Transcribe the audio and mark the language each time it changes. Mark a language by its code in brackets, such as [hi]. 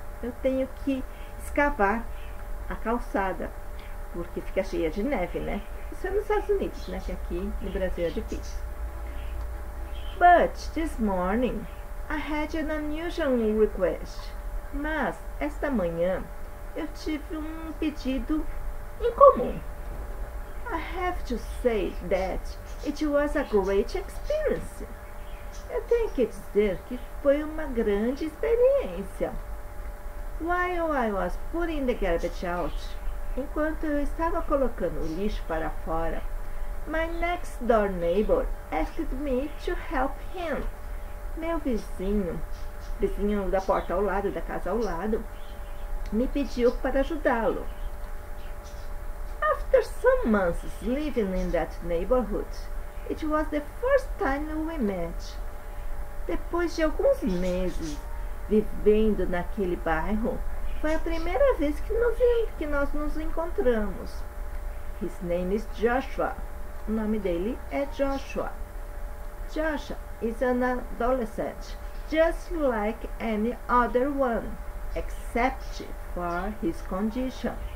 [pt] Eu tenho que escavar a calçada, porque fica cheia de neve, né? Isso é nos Estados Unidos, né? Que aqui no Brasil é difícil. [en] But this morning, I had an unusual request. [pt] Mas esta manhã, eu tive um pedido incomum. [en] I have to say that it was a great experience. [pt] Eu tenho que dizer que foi uma grande experiência. [en] While I was putting the garbage out, [pt] enquanto eu estava colocando o lixo para fora, [en] my next door neighbor asked me to help him. [pt] Meu vizinho da porta ao lado, da casa ao lado, me pediu para ajudá-lo. [en] After some months living in that neighborhood, it was the first time we met. [pt] Depois de alguns meses vivendo naquele bairro, foi a primeira vez que nós nos encontramos. [en] His name is Joshua. [pt] O nome dele é Joshua. [en] Joshua is an adolescent, just like any other one, except for his condition.